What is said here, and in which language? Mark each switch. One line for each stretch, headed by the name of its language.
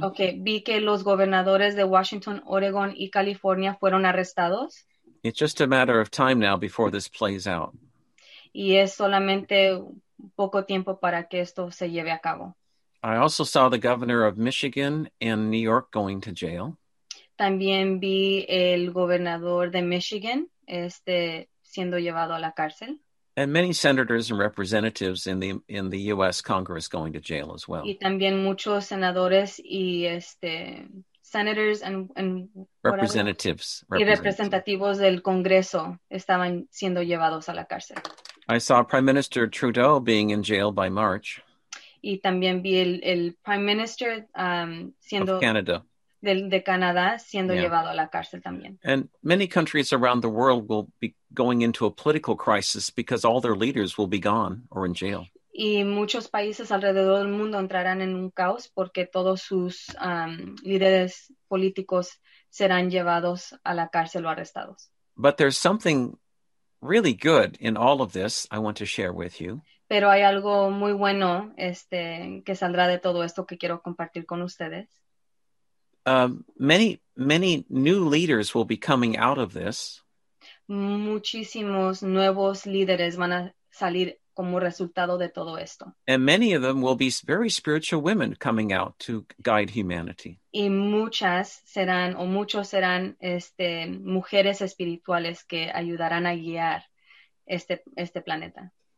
Spanish: Okay, vi que los gobernadores de Washington, Oregon, y California fueron arrestados.
English: It's just a matter of time now before this plays out.
Spanish: Y es solamente poco tiempo para que esto se lleve a cabo.
English: I also saw the governor of Michigan and New York going to jail.
Spanish: También vi el gobernador de Michigan siendo llevado a la cárcel.
English: And many senators and representatives in the U.S. Congress going to jail as well.
Spanish: Y también muchos senadores y
English: senators and representatives,
Spanish: y representativos del Congreso estaban siendo llevados a la cárcel.
English: I saw Prime Minister Trudeau being in jail by March.
Spanish: Y también vi el Prime Minister siendo
English: of Canada.
Spanish: De Canadá siendo llevado a la cárcel también.
English: And many countries around the world will be going into a political crisis because all their leaders will be gone or in jail.
Spanish: Y muchos países alrededor del mundo entrarán en un caos porque todos sus líderes políticos serán llevados a la cárcel o arrestados.
English: But there's something really good in all of this I want to share with you.
Spanish: Pero hay algo muy bueno que saldrá de todo esto que quiero compartir con ustedes.
English: Many new leaders will be coming out of this.
Spanish: Muchísimos nuevos líderes van a salir como resultado de todo esto.
English: And many of them will be very spiritual women coming out to guide humanity.
Spanish: Y muchas serán o muchos serán mujeres espirituales que ayudarán a guiar este planeta.